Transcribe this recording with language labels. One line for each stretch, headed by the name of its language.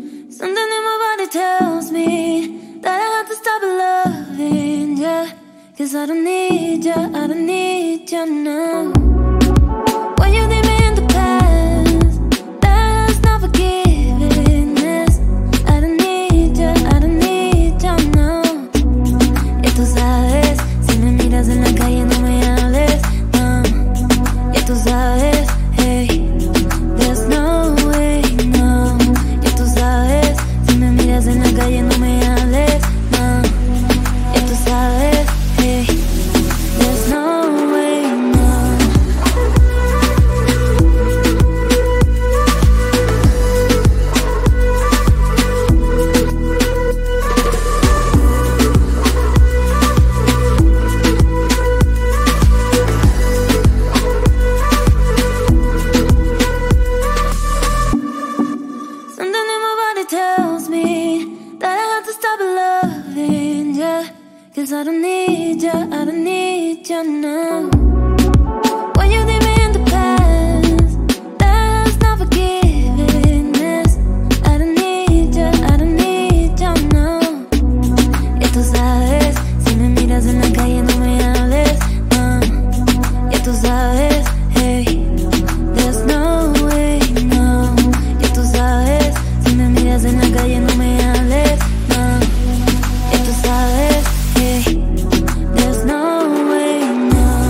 English: Something in my body tells me that I have to stop loving ya. Cause I don't need ya, I don't need ya now. What you did me in the past, that's not forgiveness. I don't need ya, I don't need ya now.
Spanish: Y tú sabes, si me miras en la calle no me hables, no. Y tú sabes,
English: hey, there's no way, no.
Spanish: Y tú sabes, si me miras en la calle no me hables, no. Y tú sabes,
English: hey, there's no way, no. Something in my body tells me that I have to stop loving ya. Cause I don't need ya, I don't need ya now. What you did me in the past, that's not forgiveness. I don't need ya, I don't need ya now.
Spanish: Y tú sabes, si me miras en la calle no me hables, no. Y tú sabes,
English: hey, there's no way, no.
Spanish: Y tú sabes, si me miras en la calle no me hables, no. Y tú sabes,
English: hey, there's no way, no.